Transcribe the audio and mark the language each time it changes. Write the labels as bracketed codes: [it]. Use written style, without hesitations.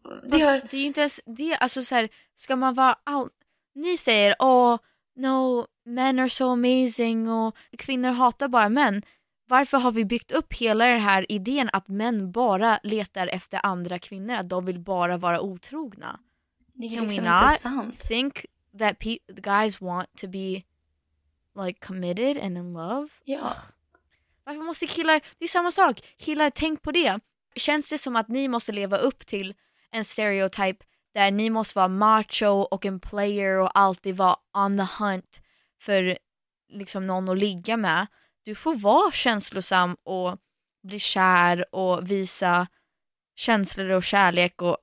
[sv] Det är ju inte ens det, alltså så här, ska man vara all... Ni säger, no, men [en] are so amazing [sv] och kvinnor hatar bara män. Varför har vi byggt upp hela den här idén att män bara letar efter andra kvinnor, att de vill bara vara otrogna? Det är inte sant. [en] Think that guys want to be like committed and in love? [sv] Ja. Varför måste killar... Det är samma sak. Killar, tänk på det. Känns det som att ni måste leva upp till en stereotype där ni måste vara macho och en player och alltid vara [en] on the hunt [sv] för liksom någon att ligga med? Du får vara känslosam och bli kär och visa känslor och kärlek och...